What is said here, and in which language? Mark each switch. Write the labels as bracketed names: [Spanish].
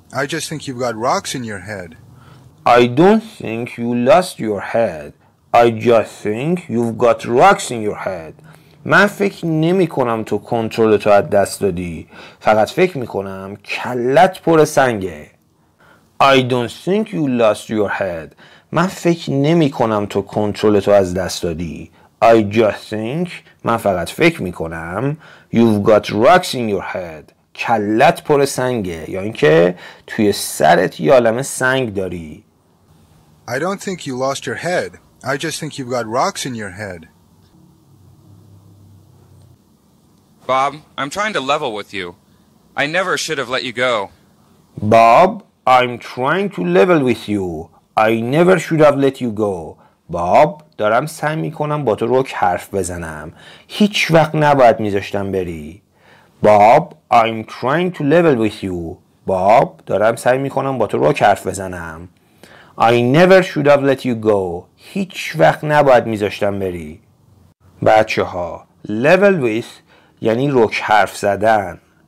[English] I just think you've got rocks in your head. I don't think you lost your head. I just think you've got rocks in your head. [Persian] من فکر نمی کنم تو کنترل تو از دست دادی، فقط فکر می کنم کلت پر سنگه. [English] I don't think you lost your head. [Persian] من فکر نمی کنم تو کنترل تو از دست دادی. [English] I just think. [Persian] من فقط فکر می کنم. [English] You've got rocks in your head. [Persian] کلت پر سنگه. یا اینکه توی سرت یه عالمه سنگ داری. [English] I don't think you lost your head. I just think you've got rocks in your head. Bob, I'm trying to level with you. I never should have let you go. Bob, I'm trying to level with you. I never should have let you go. [Persian] باب، دارم سعی میکنم با تو روک حرف بزنم. هیچ وقت نباید میذاشتم بری. [English] Bob, I'm trying to level with you. [Persian] باب، دارم سعی میکنم با تو روک حرف بزنم. [English] I never should have let you go. [Persian] هیچ وقت نباید میذاشتم بری. بچه ها، level with یعنی روک حرف زدن.